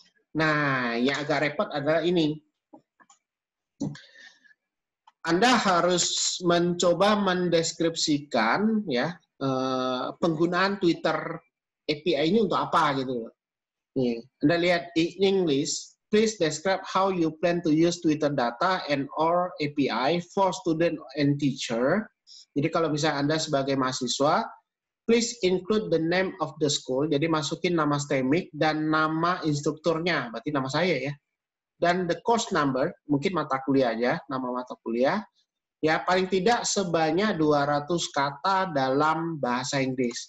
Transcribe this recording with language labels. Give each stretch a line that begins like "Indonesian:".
Indonesian: Nah, yang agak repot adalah ini. Anda harus mencoba mendeskripsikan ya penggunaan Twitter API ini untuk apa gitu. Nih, Anda lihat
English: in English, please describe how you plan to use Twitter data and or API for student and teacher.
Indonesian: Jadi kalau misalnya Anda sebagai mahasiswa,
English: please include the name of the school.
Indonesian: Jadi masukin nama STEMIC dan nama instrukturnya, berarti nama saya ya. Dan
English: the course number,
Indonesian: mungkin mata kuliah aja, nama mata kuliah. Ya, paling tidak sebanyak 200 kata dalam bahasa Inggris.